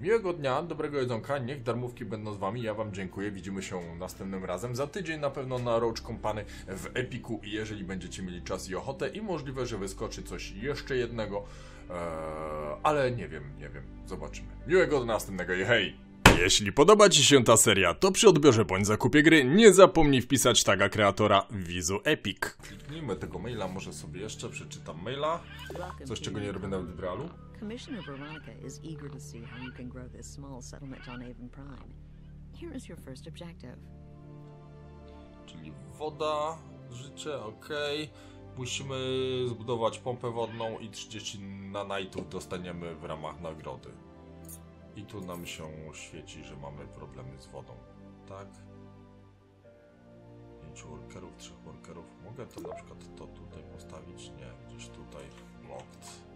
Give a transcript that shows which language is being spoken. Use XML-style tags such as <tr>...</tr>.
<pl>Miłego dnia, dobrego jedzonka, niech darmówki będą z wami, ja wam dziękuję, widzimy się następnym razem, za tydzień na pewno na Roach Company w Epiku, jeżeli będziecie mieli czas i ochotę i możliwe, że wyskoczy coś jeszcze jednego, ale nie wiem, zobaczymy. Miłego do następnego i hej! Jeśli podoba ci się ta seria, to przy odbiorze bądź zakupie gry nie zapomnij wpisać taga kreatora Wizu Epic. Kliknijmy tego maila, może sobie jeszcze przeczytam maila. Coś, czego nie robię nawet w realu.</pl> <en>Commissioner Veronica is eager to see how you can grow this small settlement on Aven Prime. Here is your first objective.</en> <pl>Czyli woda, życie, okej. Musimy zbudować pompę wodną i 30 nanajtów dostaniemy w ramach nagrody. I tu nam się świeci, że mamy problemy z wodą. Tak. 5 workerów, 3 workerów. Mogę to na przykład to tutaj postawić? Nie, gdzieś tutaj. Locked.</pl>